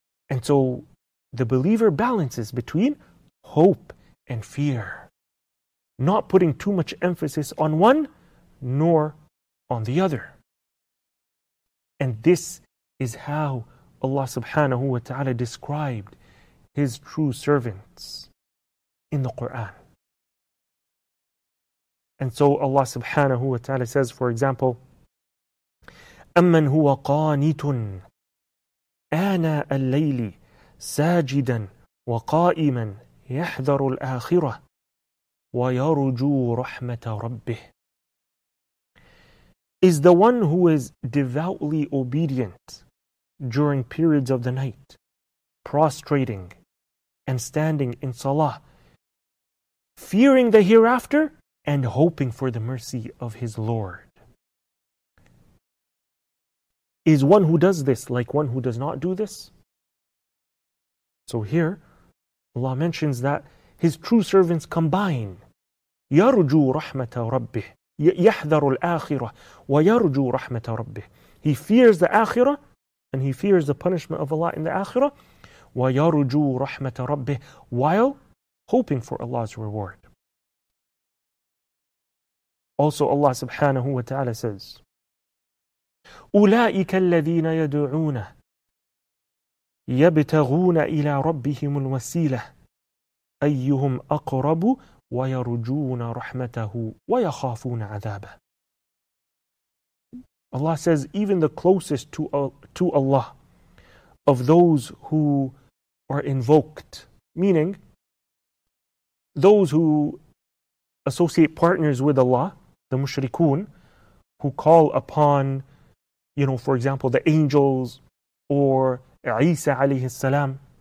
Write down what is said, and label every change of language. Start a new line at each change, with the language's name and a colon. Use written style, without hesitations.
English: And so the believer balances between hope and fear, not putting too much emphasis on one nor on the other. And this is how Allah subhanahu wa ta'ala described His true servants in the Quran. And so Allah subhanahu wa ta'ala says, for example,
Arabic: أَمَّنْ هُوَ قَانِتٌ آنَا اللَّيْلِ سَاجِدًا وَقَائِمًا يَحْذَرُ الْآخِرَةِ وَيَرُجُو رَحْمَةَ رَبِّهِ.
English: Is the one who is devoutly obedient during periods of the night, prostrating and standing in salah, fearing the hereafter and hoping for the mercy of his Lord. Is one who does this like one who does not do this? So here, Allah mentions that his true servants combine
Arabic: يَرُجُو رَحْمَةَ رَبِّهِ يَحْذَرُ الْآخِرَةِ وَيَرْجُو رَحْمَةَ رَبِّهِ.
English: He fears the Akhirah and he fears the punishment of Allah in the Akhirah.
Arabic: وَيَرْجُو رَحْمَةَ رَبِّهِ,
English: while hoping for Allah's reward. Also Allah subhanahu wa ta'ala says,
Arabic: أُولَٰئِكَ الَّذِينَ يَدْعُونَ يَبْتَغُونَ إِلَىٰ رَبِّهِمُ الْوَسِيلَةِ أَيُّهُمْ أَقْرَبُ وَيَرُجُونَ رَحْمَتَهُ وَيَخَافُونَ عَذَابَهُ.
English: Allah says, even the closest to Allah of those who are invoked, meaning those who associate partners with Allah, the mushrikun, who call upon, you know, for example, the angels or Isa alayhi salam.